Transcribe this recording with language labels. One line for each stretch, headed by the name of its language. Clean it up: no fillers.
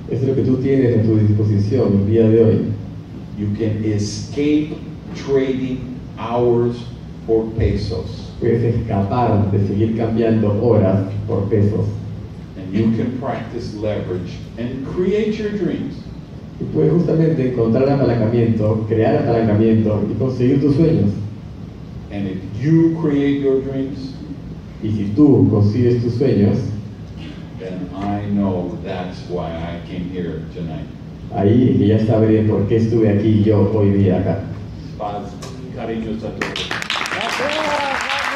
Spanish: Es lo que tú tienes en tu disposición el día de hoy.
English: you can escape trading hours for pesos.
Spanish: Puedes escapar de seguir cambiando horas por pesos.
English: And you can practice leverage and create your dreams.
Spanish: Y puedes justamente encontrar apalancamiento, crear apalancamiento y conseguir tus sueños.
English: And if you create your dreams,
Spanish: y si tú consigues tus sueños,
English: then I know that's why I came here tonight.
Spanish: Ahí ya sabré por qué estuve aquí yo hoy día acá. Paz, cariños a todos. Gracias.